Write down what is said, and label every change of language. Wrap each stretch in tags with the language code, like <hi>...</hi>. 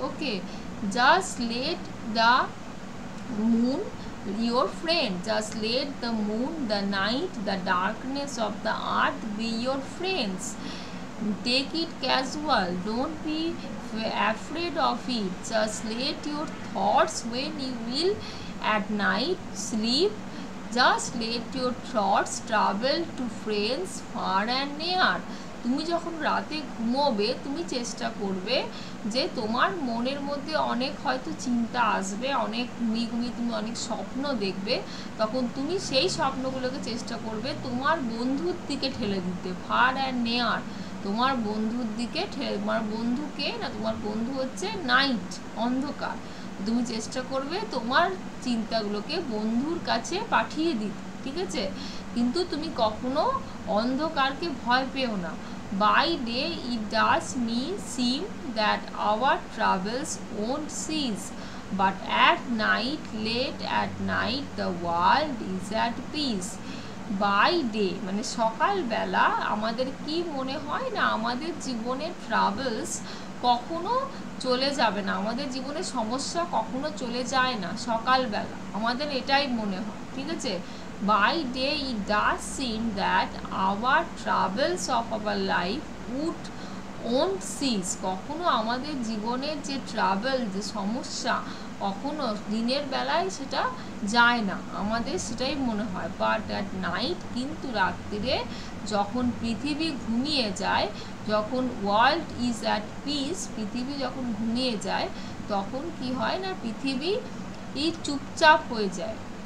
<en>Okay, just let the moon your friend, just let the moon, the night, the darkness of the earth be your friends. Take it casual, don't be afraid of it. Just let your thoughts, when you will at night sleep, just let your thoughts travel to friends far and near.</en> <bn>তুমি যখন রাতে ঘুমোবে তুমি চেষ্টা করবে যে তোমার মনের মধ্যে অনেক হয়তো চিন্তা আসবে, অনেক ঘুমিয়ে তুমি অনেক স্বপ্ন দেখবে, তখন তুমি সেই স্বপ্নগুলোকে চেষ্টা করবে তোমার বন্ধুর দিকে ঠেলে দিতে,</bn> <en>far and near,</en> <bn>তোমার বন্ধুর দিকে ঠেলে, তোমার বন্ধুকে না, তোমার বন্ধু হচ্ছে নাইট, অন্ধকার, তুমি চেষ্টা করবে তোমার চিন্তাগুলোকে বন্ধুর কাছে পাঠিয়ে দিতে, ঠিক আছে? কিন্তু তুমি কখনো অন্ধকারকে ভয় পেও না।</bn> <en>By day it does me seem that our travels won't cease, but at night, late at night, the world is at peace.</en> <bn>By day মানে সকালবেলা আমাদের কি মনে হয় না, আমাদের জীবনে ট্রাভেলস কখনো চলে যাবে না, আমাদের জীবনে সমস্যা কখনো চলে যায় না সকালবেলা, আমাদের এটাই মনে হয়, ঠিক আছে?</bn> <en>By day it does seem that our troubles of our life would won't cease.</en> <bn>কখনো আমাদের জীবনের যে ট্রাভেল, যে সমস্যা, কখনো দিনের বেলায় সেটা যায় না, আমাদের সেটাই মনে হয়।</bn> <en>but at night,</en> <bn>কিন্তু রাত্রিরে যখন পৃথিবী ঘুমিয়ে যায়, যখন</bn> <en>world is at peace,</en> <bn>পৃথিবী যখন ঘুমিয়ে যায় তখন কি হয় না, পৃথিবী ই চুপচাপ হয়ে যায়।</bn>